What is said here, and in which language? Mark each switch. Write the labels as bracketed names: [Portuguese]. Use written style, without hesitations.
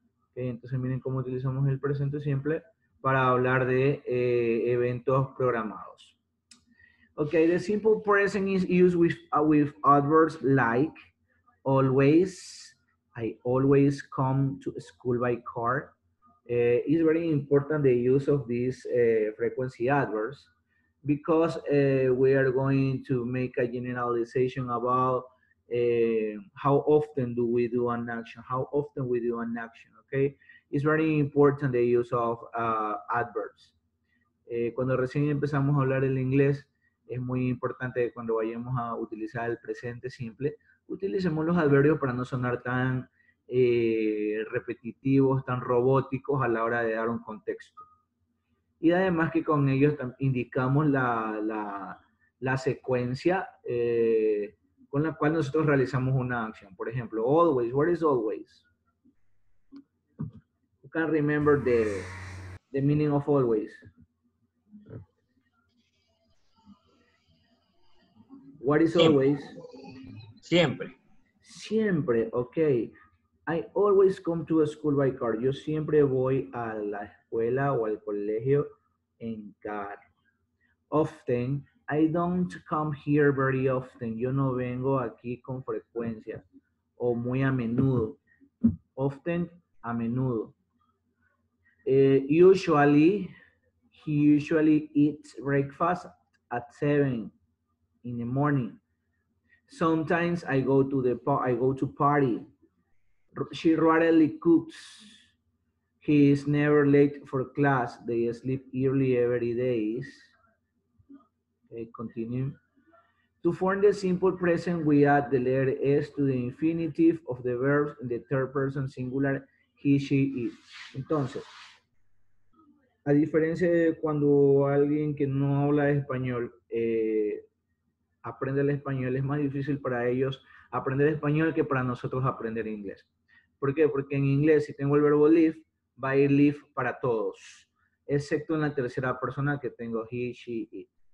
[Spanish] Okay, entonces, miren cómo utilizamos el presente simple para hablar de eventos programados. [English] Okay, the simple present is used with adverbs like always, I always come to school by car. It's very important the use of these frequency adverbs because we are going to make a generalization about how often do we do an action, how often we do an action, okay? It's very important the use of adverbs. [Spanish] Cuando recién empezamos a hablar el inglés, es muy importante que cuando vayamos a utilizar el presente simple, utilicemos los adverbios para no sonar tan repetitivos, tan robóticos a la hora de dar un contexto. Y además que con ellos indicamos la secuencia con la cual nosotros realizamos una acción. Por ejemplo, [English] always. What is always? You can remember the meaning of always. What is always? [Spanish] Siempre. Siempre, [English] ok. I always come to a school by car. [Spanish] Yo siempre voy a la escuela o al colegio en carro. [English] Often, I don't come here very often. [Spanish] Yo no vengo aquí con frecuencia o muy a menudo. [English] Often, [Spanish] a menudo. [English] He usually eats breakfast at 7 in the morning. Sometimes I go to party. She rarely cooks. He is never late for class. They sleep early every day. Okay, continue. To form the simple present, we add the letter S to the infinitive of the verbs in the third person singular, he, she, it. [Spanish] Entonces, a diferencia de cuando alguien que no habla español, aprende el español, es más difícil para ellos aprender español que para nosotros aprender inglés. ¿Por qué? Porque en inglés, si tengo el verbo live, va a ir live para todos, excepto en la tercera persona que tengo he, she, it.